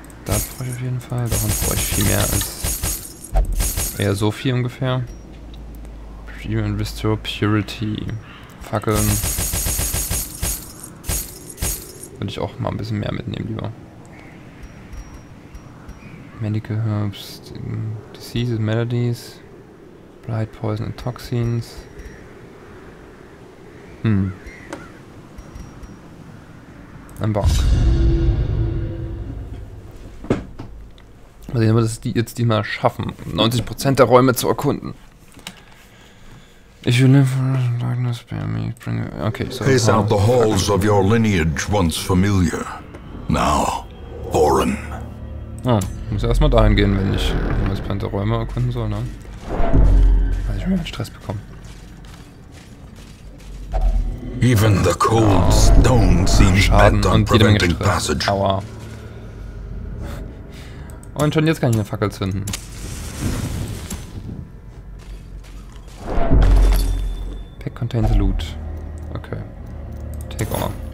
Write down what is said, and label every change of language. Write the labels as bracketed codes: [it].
[de] Auf jeden Fall, davon brauche ich viel mehr als eher so viel ungefähr. [en] Even Restore Purity. Fackeln. [de] Würde ich auch mal ein bisschen mehr mitnehmen, lieber. [en] Medical Herbs, Diseases, Melodies, Blight, Poison and Toxins. [de] Ein Bock. Mal sehen, ob wir das jetzt diesmal schaffen, 90% der Räume zu erkunden. Ich will Darkness bei mir bringen. Okay, [en] so. Pace out the halls of your lineage once familiar. Now, foreign. [de] Ah, muss erstmal dahin gehen, wenn ich die Räume erkunden soll, ne? Weil ich schon mal Stress bekomme. [en] Even the cold stone seems bent on preventing passage. [de] Aua. Und schon jetzt kann ich eine Fackel zünden. [en] Pack contains loot. Okay. Take all.